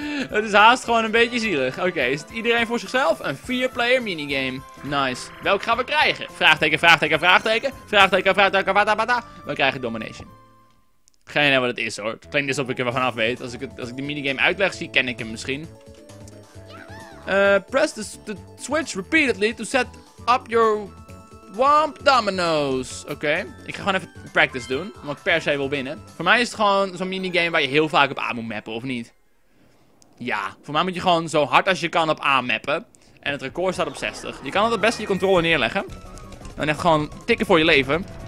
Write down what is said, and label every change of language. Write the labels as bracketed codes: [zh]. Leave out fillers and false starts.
[nl] Het is haast gewoon een beetje zielig. Oké, is het iedereen voor zichzelf? Een 4-player minigame. Nice. Welk gaan we krijgen? Vraagteken, vraagteken, vraagteken. Vraagteken, vraagteken, vraagteken. We krijgen Domination. Geen idee wat het is hoor. Het klinkt alsof ik er wel vanaf weet. Als ik de minigame uitleg zie, ken ik hem misschien. [en] Press the switch repeatedly to set up your Womp Dominoes. [nl] Oké. Ik ga gewoon even practice doen, omdat ik per se wil winnen. Voor mij is het gewoon zo'n minigame waar je heel vaak op A moet mappen, of niet? Ja, voor mij moet je gewoon zo hard als je kan op A mappen. En het record staat op 60. Je kan altijd best je controle neerleggen. En echt gewoon tikken voor je leven.